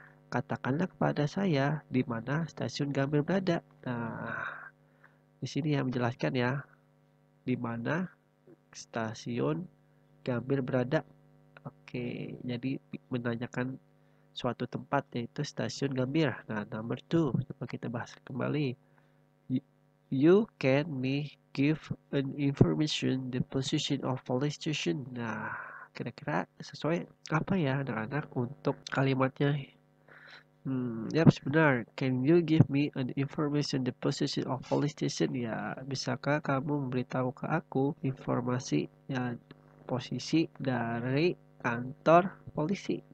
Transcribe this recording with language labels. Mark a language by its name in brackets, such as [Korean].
[Indonesian] Katakanlah kepada saya di mana stasiun Gambir berada. Nah, di sini yang menjelaskan ya. Di mana stasiun Gambir berada. Oke, jadi menanyakan suatu tempat yaitu stasiun Gambir. Nah, number 2, coba kita bahas kembali. [English] You can me give an information the position of police station. [Indonesian] Nah, kira-kira sesuai apa ya anak-anak untuk kalimatnya? Ya, sebenar. [English] Can you give me an information the position of police station? [Indonesian] Ya, bisakah kamu memberitahu ke aku informasi ya posisi dari kantor polisi?